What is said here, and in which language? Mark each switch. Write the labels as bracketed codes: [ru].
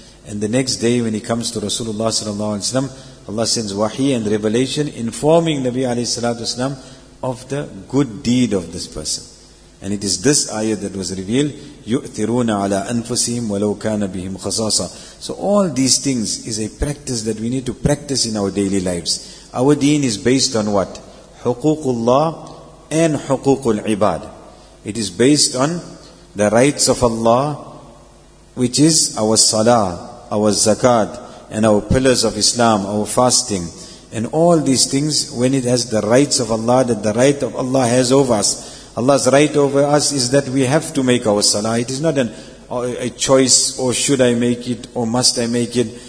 [en] And the next day when he comes to Rasulullah sallallahu alaihi wasallam, Allah sends wahi and revelation informing Nabi alayhi salatu wasalam of the good deed of this person. And it is this ayah that was revealed, [ar] يُؤْثِرُونَ عَلَىٰ أَنفُسِهِمْ وَلَوْ كَانَ بِهِمْ خَصَاصًا. [en] So all these things is a practice that we need to practice in our daily lives. Our deen is based on what? [ar] حُقُوقُ اللَّهِ and حُقُوقُ الْعِبَادِ. [en] It is based on the rights of Allah, which is our salah, our zakat, and our pillars of Islam, our fasting, And all these things, when it has the rights of Allah, that the right of Allah has over us. Allah's right over us is that we have to make our salah. It is not a choice, or should I make it, or must I make it.